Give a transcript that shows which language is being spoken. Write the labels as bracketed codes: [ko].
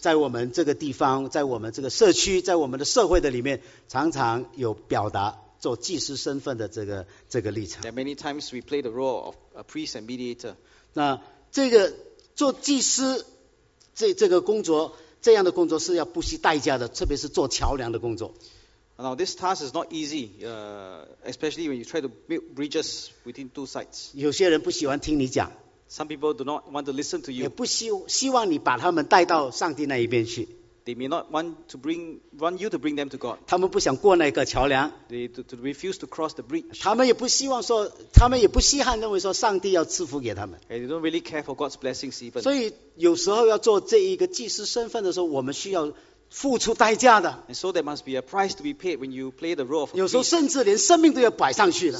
[zh] 在我们这个地方，在我们这个社区，在我们的社会的里面， 常常有表达做祭司身份的这个立场。 [en] That many times we play the role of a priest and mediator. [zh] 那这个做祭司这样的工作是要不惜代价的， 特别是做桥梁的工作。 [en] Now this task is not easy, especially when you try to build bridges between two sides. [zh] 有些人不喜欢听你讲。 [en] Some people do not want to listen to you. [zh] 也不希望你把他们带到上帝那一边去。 [en] They may not want you to bring them to God. [zh] 他们不想过那个桥梁。 [en] They refuse to cross the bridge. [zh] 他们也不希望说，他们也不稀罕认为说上帝要赐福给他们。 [en] And they don't really care for God's blessings even. [zh] 所以有时候要做这一个祭司身份的时候，我们需要付出代价的。 [en] And so there must be a price to be paid when you play the role of a priest. [zh] 有时候甚至连生命都要摆上去了。